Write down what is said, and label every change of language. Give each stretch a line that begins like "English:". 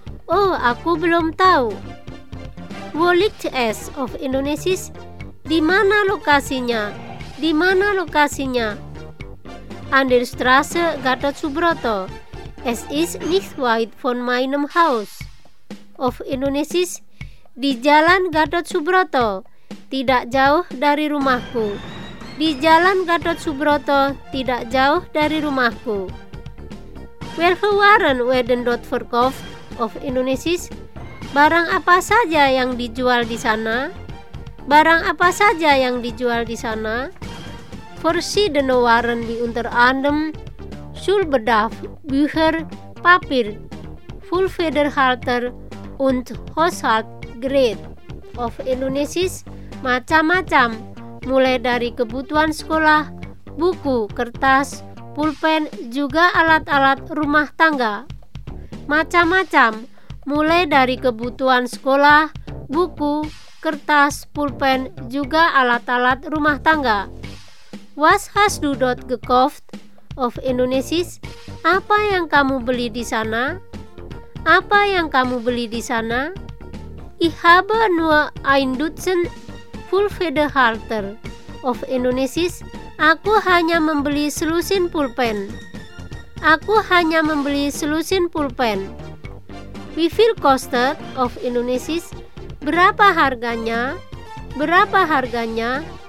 Indonesian: Oh, aku belum tahu.
German: Wo liegt es? Auf Indonesisch,
Indonesian: di mana lokasinya? Di mana lokasinya?
German: An der Straße Gatot Subroto. Es ist nicht weit von meinem Haus. Auf Indonesisch,
Indonesian: di Jalan Gatot Subroto. Tidak jauh dari rumahku. Di Jalan Gatot Subroto, tidak jauh dari rumahku.
German: Welche waren werden dort verkauft? Auf Indonesisch,
Indonesian: barang apa saja yang dijual di sana? Barang apa saja yang dijual di sana?
German: Verschiedene waren wie unter anderem Schulbedarf, Bücher, Papier, Füllfederhalter und Haushaltsgerät. Auf Indonesisch,
Indonesian: macam-macam, mulai dari kebutuhan sekolah, buku, kertas, pulpen, juga alat-alat rumah tangga. Macam-macam, mulai dari kebutuhan sekolah, buku, kertas, pulpen, juga alat-alat rumah tangga.
German: Was hast du dort gekauft? Auf Indonesisch,
Indonesian: apa yang kamu beli di sana? Apa yang kamu beli di sana?
German: Ich habe nur ein Dutzend Füllfederhalter. Auf Indonesisch,
Indonesian: aku hanya membeli selusin pulpen. Aku hanya membeli selusin pulpen.
German: Wie viel kostet? Auf Indonesisch,
Indonesian: berapa harganya? Berapa harganya?